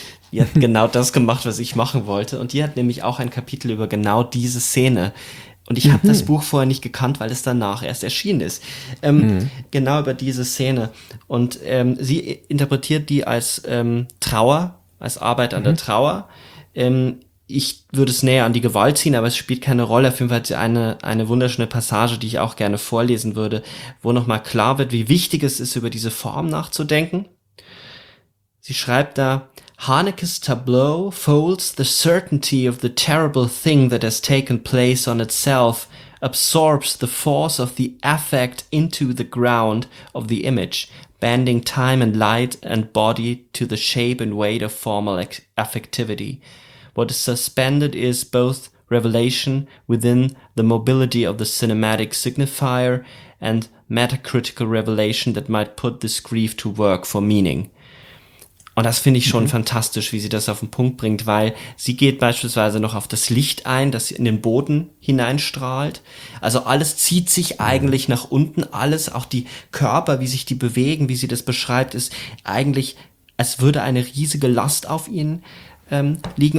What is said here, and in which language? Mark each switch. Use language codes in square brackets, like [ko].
[de] die hat genau das gemacht, was ich machen wollte, und die hat nämlich auch ein Kapitel über genau diese Szene, und ich habe das Buch vorher nicht gekannt, weil es danach erst erschienen ist, genau über diese Szene, und sie interpretiert die als Trauer, als Arbeit an der Trauer. Ich würde es näher an die Gewalt ziehen, aber es spielt keine Rolle. Auf jeden Fall hat sie eine wunderschöne Passage, die ich auch gerne vorlesen würde, wo nochmal klar wird, wie wichtig es ist, über diese Form nachzudenken. Sie schreibt da: [en] Haneke's tableau folds the certainty of the terrible thing that has taken place on itself, absorbs the force of the affect into the ground of the image, bending time and light and body to the shape and weight of formal affectivity. What is suspended is both revelation within the mobility of the cinematic signifier and metacritical revelation that might put this grief to work for meaning. [de] Und das finde ich schon fantastisch, wie sie das auf den Punkt bringt, weil sie geht beispielsweise noch auf das Licht ein, das in den Boden hineinstrahlt. Also alles zieht sich eigentlich nach unten, alles, auch die Körper, wie sich die bewegen, wie sie das beschreibt, ist eigentlich, als würde eine riesige Last auf ihnen liegen.